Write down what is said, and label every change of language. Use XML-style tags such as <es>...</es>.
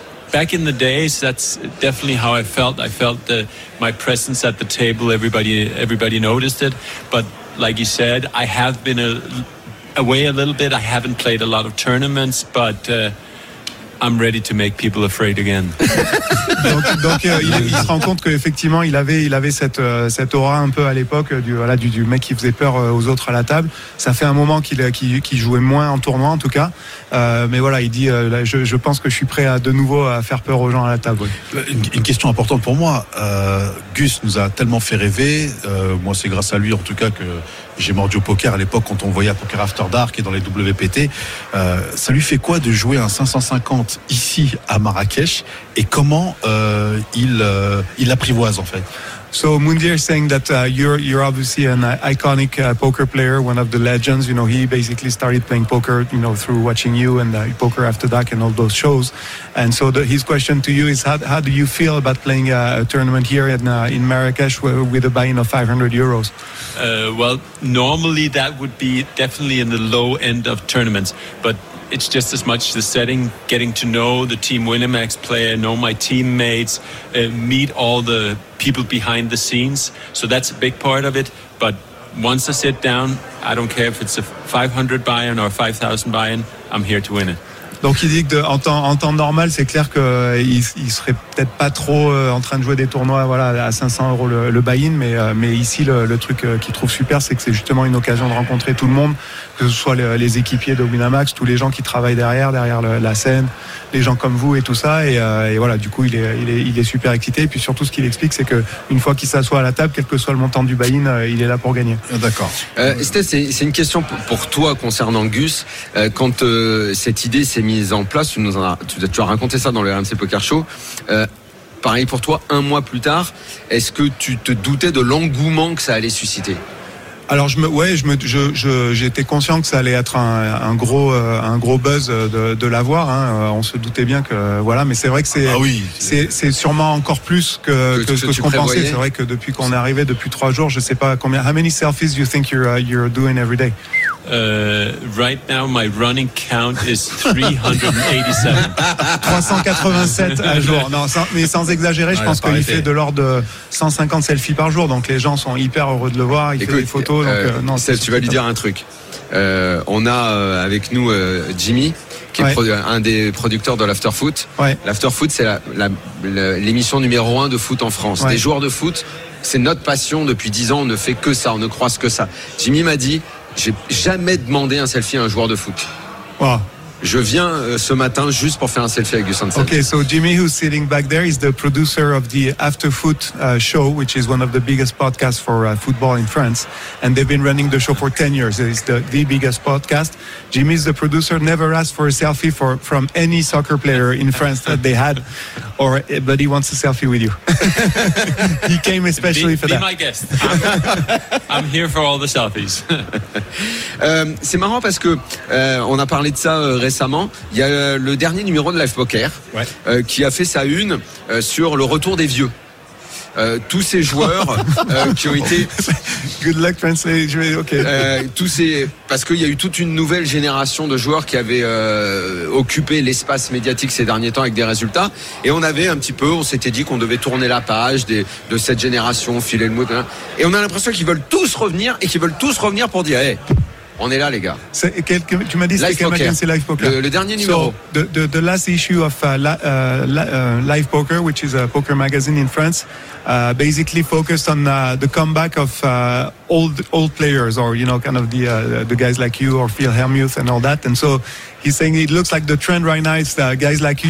<en>Back in the days, that's definitely how I felt. I felt that my presence at the table, everybody noticed it. But like you said, I have been away a little bit. I haven't played a lot of tournaments, but I'm ready to make people afraid again.</en> <fr>Donc il se rend compte qu'effectivement, il avait cette aura un peu à l'époque du mec qui faisait peur aux autres à la table. Ça fait un moment qu'il jouait moins en tournoi, en tout cas. Mais voilà, il dit, je pense que je suis prêt à faire peur aux gens à la table. Oui. Une question importante pour moi. Gus nous a tellement fait rêver. Moi, c'est grâce à lui, en tout cas, que j'ai mordu au poker à l'époque quand on voyait Poker After Dark et dans les WPT. Ça lui fait quoi de jouer un 550 ici à Marrakech et comment il l'apprivoise en fait?</fr> <en>So Mundir is saying that you're obviously an iconic poker player, one of the legends. He basically started playing poker, through watching you and Poker After Dark and all those shows. And so his question to you is, how do you feel about playing a tournament here in Marrakech with a buy-in of 500 euros? Well, normally that would be definitely in the low end of tournaments, but it's just as much the setting, getting to know the Team Winamax player, know my teammates, meet all the people behind the scenes. So that's a big part of it. But once I sit down, I don't care if it's a 500 buy-in or a 5,000 buy-in, I'm here to win it.</en> <fr>Donc il dit que en temps normal, c'est clair qu'il serait peut-être pas trop en train de jouer des tournois à 500 euros le buy-in, mais ici le truc qu'il trouve super, c'est que c'est justement une occasion de rencontrer tout le monde, que ce soit les équipiers de Winamax, tous les gens qui travaillent derrière la scène, les gens comme vous et tout ça, et voilà, du coup il est super excité, et puis surtout ce qu'il explique, c'est que une fois qu'il s'assoit à la table, quel que soit le montant du buy-in, il est là pour gagner. D'accord. Steph, c'est une question pour toi concernant Gus, quand cette idée s'est mise en place, tu as raconté ça dans le RMC Poker Show. Pareil pour toi, un mois plus tard, est-ce que tu te doutais de l'engouement que ça allait susciter ? Alors j'étais conscient que ça allait être un gros buzz de l'avoir, hein. On se doutait bien que voilà, mais c'est vrai que c'est sûrement encore plus que ce qu'on pensait. C'est vrai que depuis qu'on est arrivé, depuis 3 jours, je sais pas combien.</fr> <en>How many selfies you think you're doing every day? Right now my running count is 387.</en> <fr>387 à jour. Non, sans exagérer, je pense qu'il fait de l'ordre de 150 selfies par jour. Donc les gens sont hyper heureux de le voir. Il fait des photos. Tu vas lui dire un truc. On a avec nous Jimmy, qui est un des producteurs de l'After Foot. Ouais. L'After Foot, c'est l'émission numéro 1 de foot en France. Ouais. Des joueurs de foot, c'est notre passion depuis 10 ans. On ne fait que ça, on ne croise que ça. Jimmy m'a dit. J'ai jamais demandé un selfie à un joueur de foot. Wow. Je viens ce matin juste pour faire un selfie avec Gus Hansen.</fr> <en>Okay, so Jimmy, who's sitting back there, is the producer of the After Foot show, which is one of the biggest podcasts for football in France. And they've been running the show for 10 years. It's the biggest podcast. Jimmy's the producer, never asked for a selfie from any soccer player in France that they had, but he wants a selfie with you. He came especially for that. Be my guest. I'm here for all the selfies.</en> <fr>C'est marrant parce que on a parlé de ça récemment. Il y a le dernier numéro de Live Poker qui a fait sa une sur le retour des vieux. Tous ces joueurs qui ont été.</fr> <en>Good luck translating. Okay.</en> <fr>Parce qu'il y a eu toute une nouvelle génération de joueurs qui avaient occupé l'espace médiatique ces derniers temps avec des résultats. Et on avait un petit peu, on s'était dit qu'on devait tourner la page de cette génération, filer le mot. Et on a l'impression qu'ils veulent tous revenir et qu'ils veulent tous revenir pour dire hey, on est là, les gars. Tu m'as dit c'est Live Poker. Le dernier numéro.</fr> <en>The last issue of Live Poker, which is a poker magazine in France. Basically focused on the comeback of old players, or you know, kind of the guys like you or Phil Hellmuth and all that. And so he's saying it looks like the trend right now is guys like you.</en>